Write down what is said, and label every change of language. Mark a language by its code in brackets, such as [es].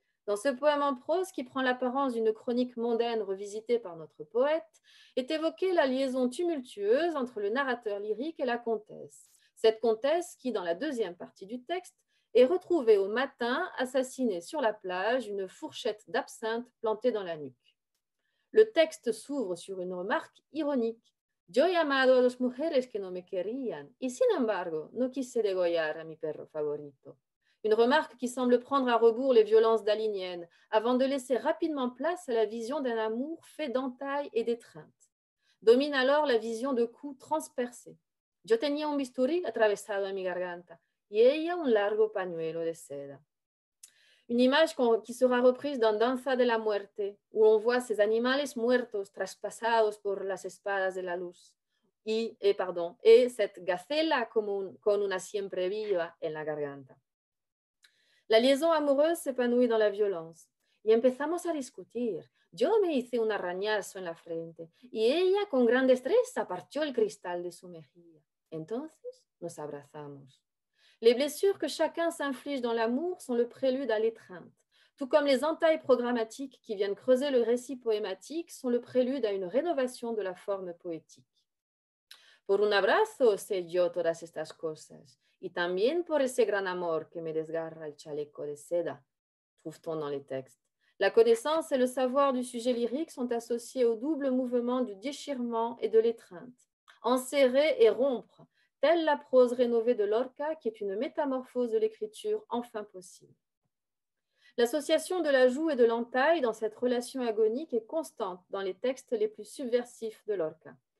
[fr] Dans ce poème en prose, qui prend l'apparence d'une chronique mondaine revisitée par notre poète, est évoquée la liaison tumultueuse entre le narrateur lyrique et la comtesse. Cette comtesse qui, dans la deuxième partie du texte, et retrouvé au matin assassiné sur la plage, une fourchette d'absinthe plantée dans la nuque. Le texte s'ouvre sur une remarque ironique. [es] Yo he amado a las mujeres que no me querían, y sin embargo, no quise degollar a mi perro favorito. [fr] Une remarque qui semble prendre à rebours les violences daliniennes, avant de laisser rapidement place à la vision d'un amour fait d'entailles et d'étreintes. Domine alors la vision de coups transpercés. [es] Yo tenía un bisturí atravesado en mi garganta, y ella un largo pañuelo de seda. [fr] Une image qui sera reprise dans Danza de la Muerte, où on voit ces [es] animales muertos traspasados por las espadas de la luz. [fr] Et cette [es] gacela con una siempre viva en la garganta. [fr] La liaison amoureuse s'épanouit dans la violence. [es] Y empezamos a discutir. Yo me hice un arañazo en la frente. Y ella, con gran destreza, partió el cristal de su mejilla. Entonces, nos abrazamos. [fr] Les blessures que chacun s'inflige dans l'amour sont le prélude à l'étreinte, tout comme les entailles programmatiques qui viennent creuser le récit poématique sont le prélude à une rénovation de la forme poétique. [es] Por un abrazo sé yo todas estas cosas, y también por ese gran amor que me desgarra el chaleco de seda, [fr] trouve-t-on dans les textes. La connaissance et le savoir du sujet lyrique sont associés au double mouvement du déchirement et de l'étreinte, enserrer et rompre, telle la prose rénovée de Lorca, qui est une métamorphose de l'écriture enfin possible. L'association de la joue et de l'entaille dans cette relation agonique est constante dans les textes les plus subversifs de Lorca.